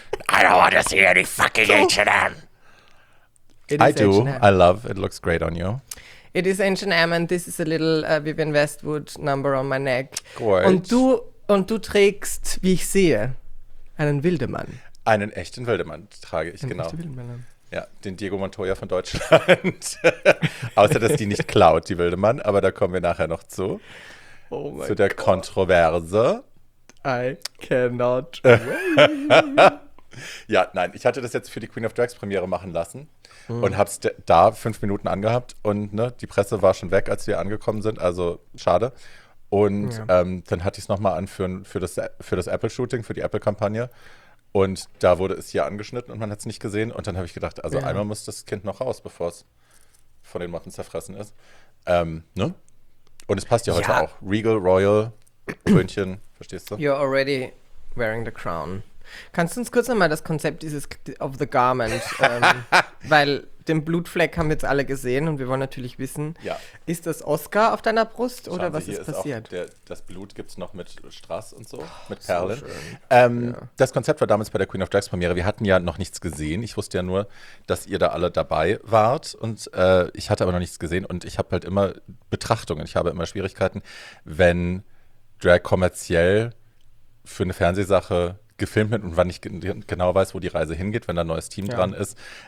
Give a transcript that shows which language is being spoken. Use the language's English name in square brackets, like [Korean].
[English] I don't want to see any fucking H&M. It is I do. H&M. I love. It looks great on you. It is H&M and this is a little Vivienne Westwood number on my neck. Great. [German] Und du trägst, wie ich sehe, einen Wildemann. Einen echten Wildemann trage ich, genau. Echten Wildemann. Ja, den Diego Montoya von Deutschland. Außer, dass die nicht klaut, die Wildemann. Aber da kommen wir nachher noch zu. Oh mein Gott. Zu der Kontroverse. [English] I cannot wait. [German] Ja, nein, ich hatte das jetzt für die Queen of Drags Premiere machen lassen und habe es da 5 Minuten angehabt und ne, die Presse war schon weg, als wir angekommen sind, also schade. Und ja. Dann hatte ich es nochmal an für das Apple-Shooting, für die Apple-Kampagne und da wurde es hier angeschnitten und man hat es nicht gesehen und dann habe ich gedacht, also einmal muss das Kind noch raus, bevor es von den Motten zerfressen ist. Ne? Und es passt ja heute auch. Regal, Royal, Krönchen, verstehst du? [English] You're already wearing the crown. [German] Kannst du uns kurz nochmal das Konzept dieses [English] of the garment, [German] weil den Blutfleck haben wir jetzt alle gesehen und wir wollen natürlich wissen, ist das Oscar auf deiner Brust oder Schauen was Sie, ist passiert? Auch das Blut gibt es noch mit Strass und so, mit Perlen. So das Konzept war damals bei der Queen of Drags Premiere, wir hatten ja noch nichts gesehen, ich wusste ja nur, dass ihr da alle dabei wart und ich hatte aber noch nichts gesehen und ich habe halt immer Betrachtungen, ich habe immer Schwierigkeiten, wenn Drag kommerziell für eine Fernsehsache gefilmt mit und wann ich genau weiß, wo die Reise hingeht, wenn da ein neues Team dran ist.